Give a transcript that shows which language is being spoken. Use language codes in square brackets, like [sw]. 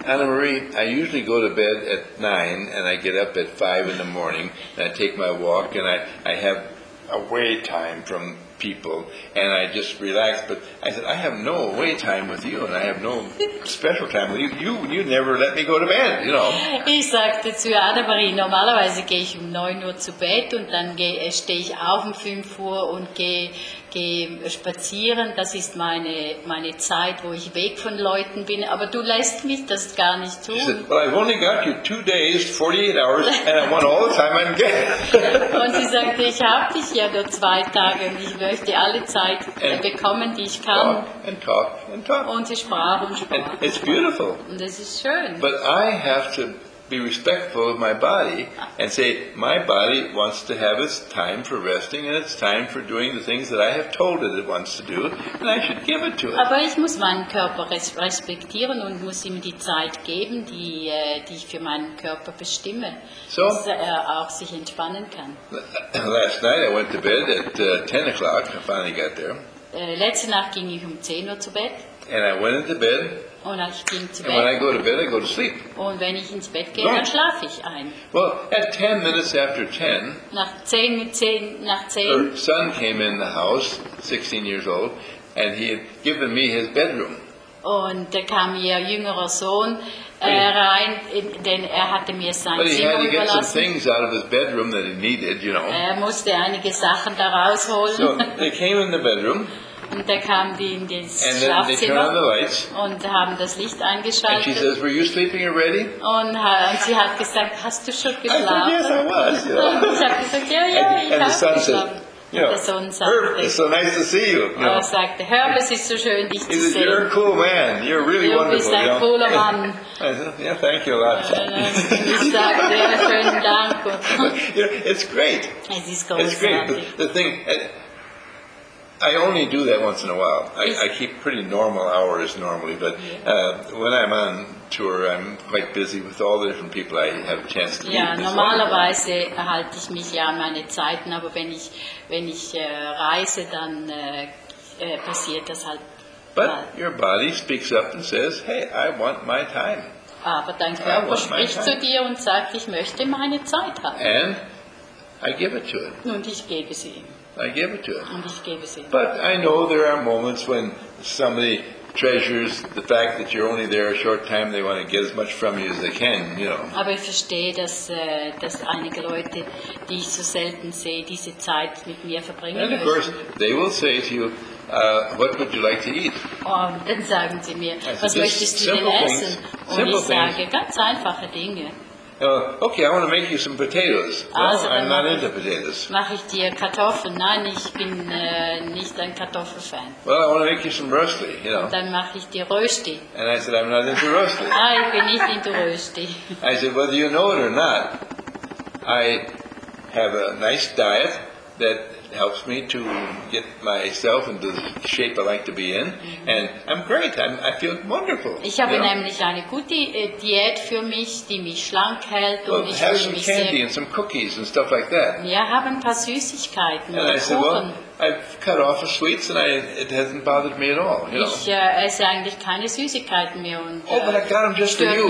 [en] Anna Marie, I usually go to bed at 9 and I get up at 5 in the morning and I take my walk and I have away time from people and I just relax, but I said I have no away time with you and I have no special time with you. You never let me go to bed, you know. [de] Ich sagte zu Anna Marie, normalerweise gehe ich um 9 Uhr zu Bett und dann stehe ich auf um 5 Uhr und gehe spazieren. Das ist meine Zeit, wo ich weg von Leuten bin, aber du lässt mich das gar nicht tun. [en] She said, well, I've only got you 2 days, 48 hours, and I want all the time I'm getting. [de] Und sie sagte, ich habe dich ja nur 2 Tage und ich möchte alle Zeit [en] and [de] bekommen, die ich kann. [en] Talk and talk and talk. [de] Und sie sprach und sprach. [en] And it's beautiful. [de] Und es ist schön. [en] But I have to be respectful of my body and say my body wants to have its time for resting and its time for doing the things that I have told it it wants to do and I should give it to it. [de] Aber ich muss meinen Körper respektieren und muss ihm die Zeit geben, die ich für meinen Körper bestimme, so, dass er auch sich entspannen kann. [en] Last night I went to bed at 10 o'clock. I finally got there. [de] Letzte Nacht ging ich um 10 Uhr zu Bett. [en] And I went into bed. [de] Und ich ging zu Bett. [en] And when I go to bed, I go to sleep. [de] Und wenn ich ins Bett gehe, dann schlafe ich ein. [en] Well, at 10 minutes after 10, [de] nach zehn, [en] her son came in the house, 16 years old, and he had given me his bedroom. [de] Und da kam ihr jüngerer Sohn rein, denn er hatte mir sein Zimmer überlassen. [en] But he had to get some things out of his bedroom that he needed, you know. [de] Er musste einige Sachen da rausholen. [en] So they came in the bedroom. [de] Und da kam die in das Schlafzimmer und haben das Licht eingeschaltet. [en] And she says, were you sleeping already? [de] Und sie hat gesagt, hast du schon geschlafen? [en] I said, yes, I was. You know. [de] Und ich habe gesagt, ja, ja, ich habe geschlafen. [en] Said, you know, it's so nice to see you. You know. [de] Er sagte, Herb, es ist so schön, dich zu sehen. [en] You're a cool man. You're really wonderful. [de] Du bist ein cooler Mann. [en] Yeah, thank you a lot. [de] Ich sagte, ja, schönen Dank. [en] It's great. [de] Es ist großartig. [en] It's great. The thing, I only do that once in a while. I keep pretty normal hours normally, but when I'm on tour, I'm quite busy with all the different people I have a chance to meet. [de] Ja, normalerweise halte ich mich ja an meine Zeiten, aber wenn ich reise, dann passiert das halt. [en] But your body speaks up and says, "Hey, I want my time." [de] Aber dein Körper spricht zu dir und sagt, ich möchte meine Zeit haben. [en] And I give it to it. [de] Und ich gebe sie ihm. [en] I give it to him. [de] Und ich gebe sie. [en] But I know there are moments when somebody treasures the fact that you're only there a short time. They want to get as much from you as they can, you know. [de] Aber ich verstehe, dass einige Leute, die ich so selten sehe, diese Zeit mit mir verbringen müssen. [en] And of course, they will say to you, "What would you like to eat?" [de] Dann sagen sie mir, was möchtest du denn essen? Und ich sage, ganz einfache Dinge. [en] Okay, I want to make you some potatoes. [de] Also, [en] I'm not into potatoes. [de] Mache ich dir Kartoffeln? Nein, ich bin nicht ein Kartoffelfan. [en] Well, I want to make you some rösti, you know. [de] Und dann mache ich dir Rösti. [en] And I said, I'm not into rösti. [de] Nein, ich bin nicht into Rösti. [en] I said, whether you know it or not, I have a nice diet that helps me to get myself into the shape I like to be in, and I'm great. I feel wonderful. [de] Ich habe nämlich eine gute Diät für mich, die mich schlank hält und ich fühle mich sehr. [en] Have some candy and some cookies and stuff like that. [de] Ja, habe ein paar Süßigkeiten und Kuchen. [en] And I said, well, I've cut off the sweets and it hasn't bothered me at all. You know. [de] Ich esse eigentlich keine Süßigkeiten mehr und. [en] Oh, but I got them just for you.